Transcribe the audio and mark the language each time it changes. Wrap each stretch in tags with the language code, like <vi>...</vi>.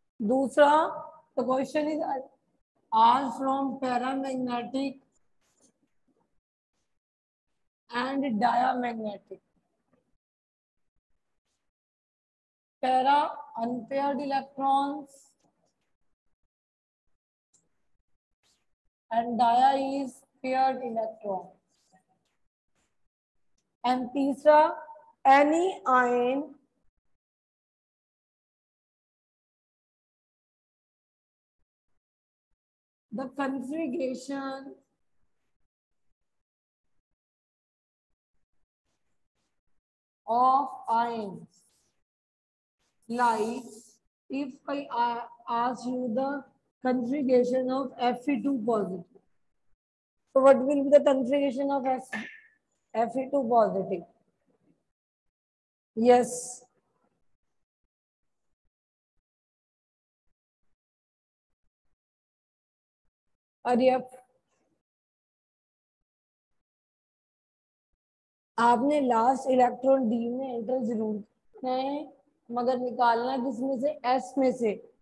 <hi>दूसरा</hi> <en>The question is आज from paramagnetic and diamagnetic. Para unpaired electrons and dia is paired electron. And</en> <hi>तीसरा</hi> <en>Any ion the configuration of ions like if I ask you the configuration of Fe2 positive, so what will be the configuration of Fe2 positive?</en> <hi>Yes, अरे आपने last electron D में enter जरूर किया है, मगर निकालना किसमें से? एस में से।</hi>